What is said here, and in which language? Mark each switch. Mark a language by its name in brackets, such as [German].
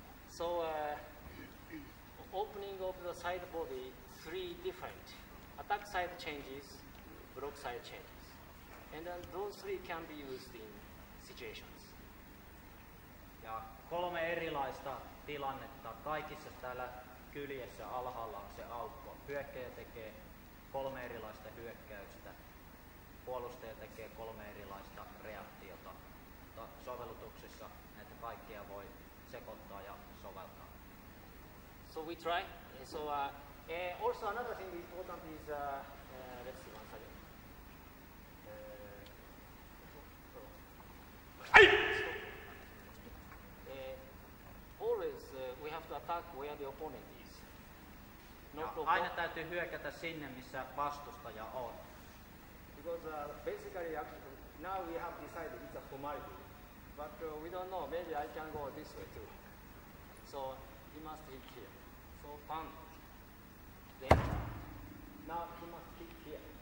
[English] So opening of the side body, three different attack side changes, block side changes, and then those three can be used in situations. [Finnish] Ja kolme erilaista tilannetta kaikissa täällä kyljessä alhaalla on se aukko. Hyökkäjä tekee kolme erilaista hyökkäystä. Puolustaja tekee kolme erilaista reaktiota. Sovellutuksissa näitä kaikkia voi sekoittaa ja soveltaa. [English] So we try. So also another thing is important is let's see one second. Always we have to attack where the opponent is. [Finnish] Aina täytyy hyökätä sinne missä vastustaja on. [English] Because basically actually now we have decided it's a formality. But we don't know, maybe I can go this way too. So he must hit here. So pan. Then now he must hit here.